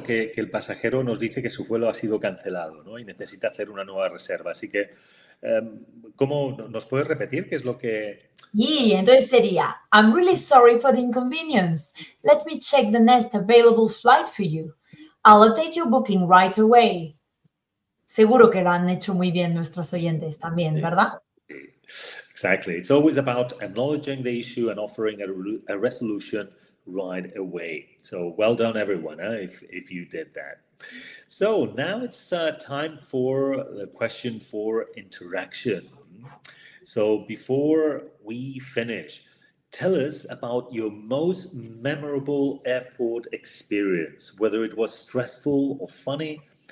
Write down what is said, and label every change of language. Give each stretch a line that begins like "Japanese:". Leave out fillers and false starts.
Spanish: Que el pasajero nos dice que su vuelo ha sido cancelado, ¿no? Y necesita hacer una nueva reserva. Así que, ¿cómo nos puedes repetir qué es lo que...? Sí, entonces sería,
English: I'm really sorry for the inconvenience. Let me check the next available flight for you. I'll update your booking right away.
Spanish: Seguro que lo han hecho muy bien nuestros oyentes también, ¿verdad?
English: Exactly. It's always about acknowledging the issue and offering a resolution right away. So well done, everyone, if you did that. So now it's time for the question for interaction. So before we finish, tell us about your most memorable airport experience, whether it was stressful or funny.